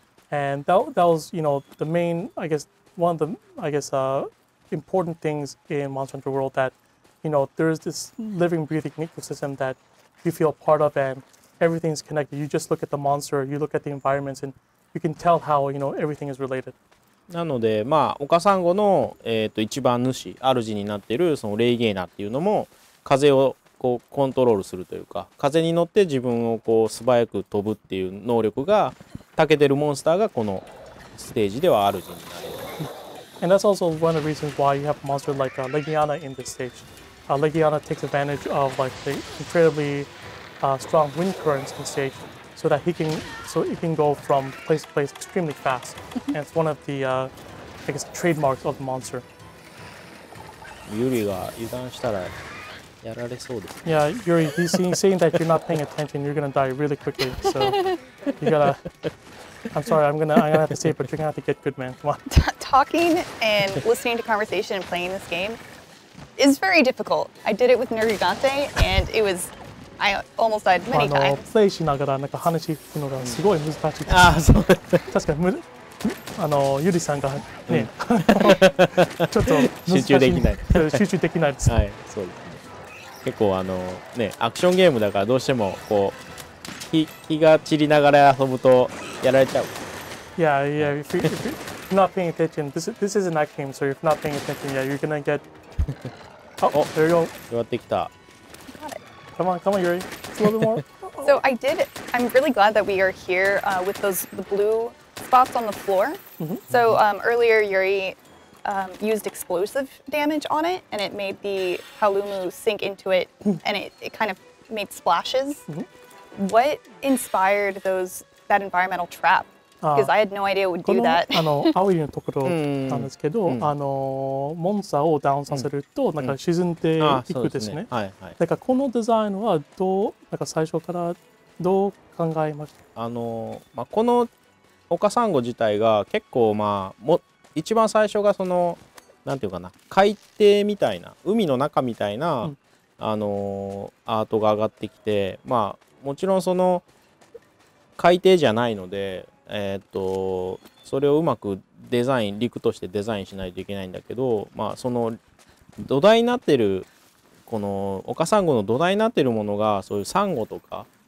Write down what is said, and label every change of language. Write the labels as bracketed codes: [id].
[en] And that was, you know, the main, I guess, one of the, I guess, important things in Monster Hunter World thatYou know, there's this living, breathing ecosystem that you feel part of, and everything's connected. You just look at the monster, you look at the environments, and you can tell how, you know, everything is related. [ja] なので、まあ、オカサンゴの、一番主、主になっているそのレイゲーナっていうのも、風をこうコントロールするというか、風に乗って自分をこう素早く飛ぶっていう能力が長けてるモンスターがこのステージでは主になる。 [en] And that's also one of the reasons why you have a monster like Legiana in this stage. Legiana takes advantage of like the incredibly strong wind currents in stage so that he can go from place to place extremely fast. And it's one of the, I guess, trademarks of the monster. [ja] Yuri が油断したらやられそうですね。 [en] Yeah, Yuri, he's saying that you're not paying attention, you're going to die really quickly. So you gotta... I'm sorry, I'm gonna have to say it, but you're gonna have to get good, man. Come on. Talking and listening to conversation and playing this game is very difficult. I did it with Nergigante, and it was... I almost died many times. [ja] プレイしながらなんか話聞くのがすごい難しいです。ああ、そう。確かに、ユリさんがね、ちょっと集中できない。集中できないです。はい、そうですね。結構ね、アクションゲームだからどうしてもこう、日が散りながら遊ぶとやられちゃう。 [en] Yeah, if you're not paying attention, this is a night game, so if you're not paying attention, yeah, you're gonna get. Oh, there you go. [ja] 終わってきた。 [en] Come on, Yuri. It's a little bit more. So I did. I'm really glad that we are here、with those the blue spots on the floor.、Mm-hmm. So、earlier, Yuri. Used explosive damage on it and it made the Halumu sink into it and it kind of made splashes.、Mm-hmm. What inspired that environmental trap? Because I had no idea it would do that. [ja] この青いのところなんですけど、モンスターをダウンさせるとなんか沈んでいくですね。だからこのデザインはどうなんか最初からどう考えました？このオカサンゴ自体が結構まあも一番最初がそのなんていうかな海底みたいな海の中みたいな、うん、アートが上がってきてまあもちろんその海底じゃないのでそれをうまくデザイン陸としてデザインしないといけないんだけどまあその土台になってるこのオカサンゴの土台になってるものがそういうサンゴとか